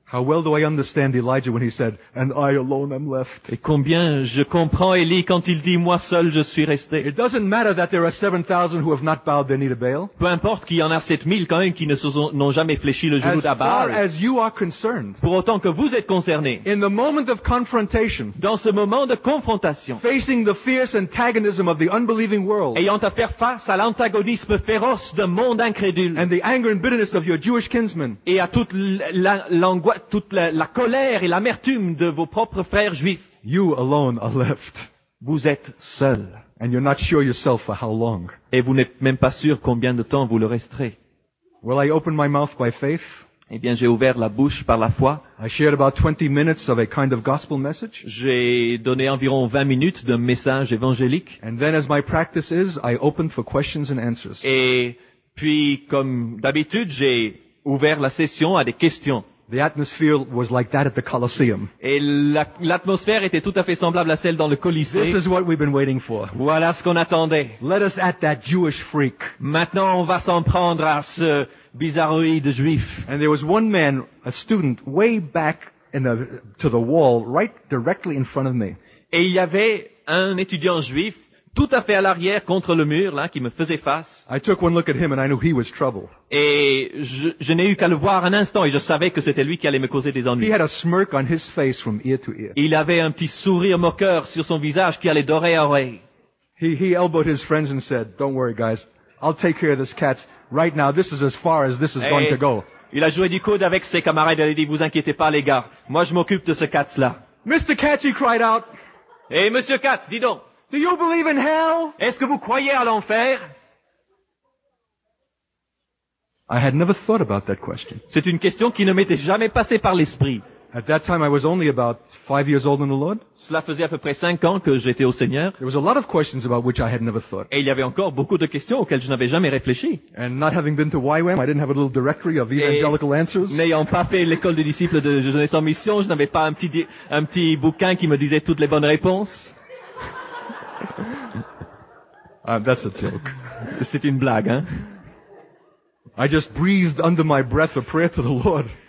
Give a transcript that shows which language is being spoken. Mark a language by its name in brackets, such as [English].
[English] How well do I understand Elijah when he said, "And I alone am left"? [French] Et combien je comprends Élie quand il dit, moi seul je suis resté. [English] It doesn't matter that there are 7,000 who have not bowed their knee to Baal. [French] Peu importe qu'il y en a 7,000 quand même qui ne n'ont jamais fléchi le genou à Baal. [English] As far as you are concerned. [French] Pour autant que vous êtes concerné. [English] In the moment of confrontation. [French] Dans ce moment de confrontation. [English] Facing the fierce antagonism of the unbelieving world. [French] Ayant à faire face à l'antagonisme féroce d'un monde incrédule. [English] And the anger and bitterness of your Jewish kinsmen. [French] Et à toute l'angoisse. Toute la colère et l'amertume de vos propres frères juifs. [English] You alone are left. [French] Vous êtes seul. [English] And you're not sure yourself for how long. [French] Et vous n'êtes même pas sûr combien de temps vous le resterez. [English] Well, I opened my mouth by faith. [French] Eh bien, j'ai ouvert la bouche par la foi. [English] I shared about 20 minutes of a kind of gospel message. [French] J'ai donné environ 20 minutes d'un message évangélique. [English] And then, as my practice is, I opened for questions and answers. [French] Et puis, comme d'habitude, j'ai ouvert la session à des questions. [English] The atmosphere was like that at the Colosseum. [French] Et l'atmosphère était tout à fait semblable à celle dans le Colisée. [English] This is what we've been waiting for. [French] Voilà ce qu'on attendait. [English] Let us at that Jewish freak. [French] Maintenant, on va s'en prendre à ce bizarroïde juif. [English] And there was one man, a student, way back in to the wall, right directly in front of me. [French] Et il y avait un étudiant juif, tout à fait à l'arrière, contre le mur, là, qui me faisait face. [English] I took one look at him and I knew he was trouble. [French] Et je n'ai eu qu'à le voir un instant et je savais que c'était lui qui allait me causer des ennuis. [English] He had a smirk on his face from ear to ear. [French] Il avait un petit sourire moqueur sur son visage qui allait d'oreille à oreille. [English] He elbowed his friends and said, "Don't worry guys, I'll take care of this cat. Right now, this is as far as this is going to go." [French] Il a joué du coude avec ses camarades et il a dit, "Vous inquiétez pas les gars, moi je m'occupe de ce cat-là." [English] Mr. Cat, he cried out. [French] Hey, Monsieur Cat, dis donc. [English] Do you believe in hell? [French] Est-ce que vous croyez à l'enfer? [English] I had never thought about that question. [French] C'est une question qui ne m'était jamais passée par l'esprit. [English] At that time, I was only about 5 years old in the Lord. [French] Cela faisait à peu près 5 ans que j'étais au Seigneur. [English] There was a lot of questions about which I had never thought. [French] Et il y avait encore beaucoup de questions auxquelles je n'avais jamais réfléchi. [English] And not having been to YWAM, I didn't have a little directory of evangelical answers. [French] N'ayant pas fait l'école des disciples de jeunesse en mission, je n'avais pas un petit bouquin qui me disait toutes les bonnes réponses. [English] That's a joke. [French] C'est une blague, hein? [English] I just breathed under my breath a prayer to the Lord.